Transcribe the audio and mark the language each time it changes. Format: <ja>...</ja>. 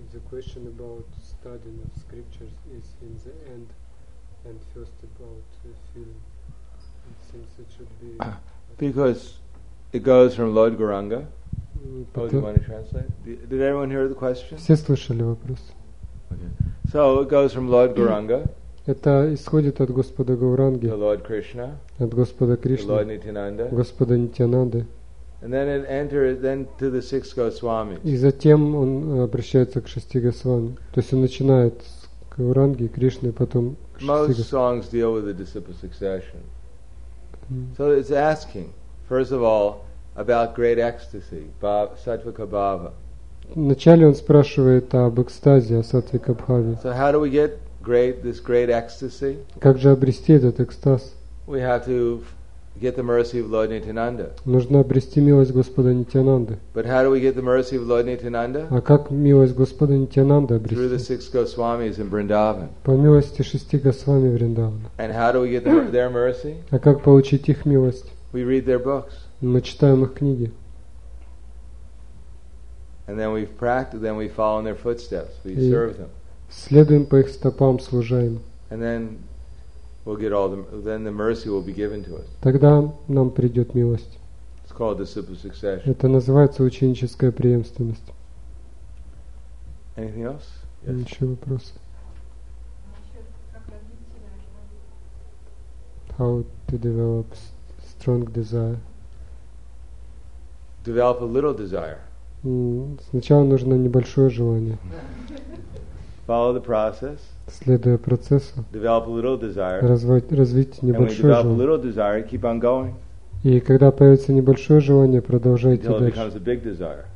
<en>Question about studying of scriptures is in the end, and first about feeling. It seems it should be because it goes from Lord Gauranga. Oh, do you want to translate? Did everyone hear the question?</en> <ru>Все слышали вопрос.</ru> <en>Okay. So it goes from Lord Gauranga.</en> <ru>Это исходит от Господа Гауранги.</ru> <en>To Lord Krishna.</en> <ru>От Господа Кришны.</ru> <en>To Lord Nityananda.</en> <ru>Господа Нитянанды.</ru> <en>And then it enters then to the six Goswamis.</en> <ru>И затем он обращается к шести Госвами. То есть он начинает с Гауранги, Кришны, потом к шести.</ru> <en>Most songs deal with the disciple succession. So it's asking, first of all, about great ecstasy, Sattvika Bhava.</en> <ru>Вначале он спрашивает об экстазе, о Сатвика Бхаве.</ru> <en>So how do we get this great ecstasy?</en> <ru>Как же обрести этот экстаз?</ru> <en>We have to get the mercy of Lord Nityananda.</en> <ru>Нужно обрести милость Господа Нитянанды.</ru> <en>But how do we get the mercy of Lord Nityananda?</en> <ru>А как милость Господа Нитянанды обрести?</ru> <en>Through the six Goswamis in Vrindavan.</en> <ru>По милости шести Госвами Вриндавана.</ru> <en>And how do we get their mercy?</en> <ru>А как получить их милость?</ru> <en>We read their books.</en> <ru>Мы читаем их книги.</ru> <en>And then we've practiced, then we follow in their footsteps. We serve them.</en> <ru>Следуем по их стопам, служаем.</ru> <en>And then we'll get all the, then the mercy will be given to us.</en> <ru>Тогда нам придет милость.</ru> <en>It's called disciple succession.</en> <ru>Это называется ученическая преемственность.</ru> <en>Anything else? Yes.</en> <ru>Еще вопросы?</ru> <en>How to develop strong desire? Develop a little desire.</en> <ru>Сначала нужно небольшое желание.</ru> <en>Follow the process.</en> <ru>Следуя процессу, развить небольшое желание.</ru> <en>Desire,</en> <ru>и когда появится небольшое желание, продолжайте дальше.</ru>